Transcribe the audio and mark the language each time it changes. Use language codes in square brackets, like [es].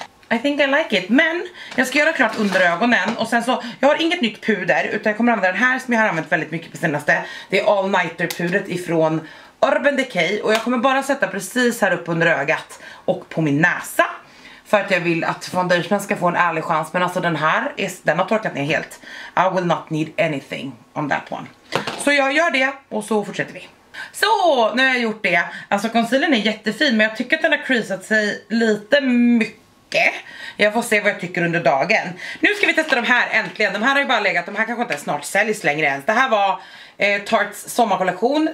[en] I think I like it, [sv] men jag ska göra klart under ögonen och sen så, jag har inget nytt puder utan jag kommer använda den här som jag har använt väldigt mycket på senaste. Det är All Nighter pudret ifrån Urban Decay, och jag kommer bara sätta precis här upp under ögat och på min näsa. För att jag vill att foundationen ska få en ärlig chans, men alltså den här, den har torkat ner helt. [en] I will not need anything on that one. [sv] Så jag gör det och så fortsätter vi. Så, nu har jag gjort det. Alltså concealern är jättefin men jag tycker att den har creasat sig lite mycket. Jag får se vad jag tycker under dagen. Nu ska vi testa de här äntligen. De här har ju bara legat, de här kanske inte snart säljs längre ens. Det här var Tarte's sommarkollektion.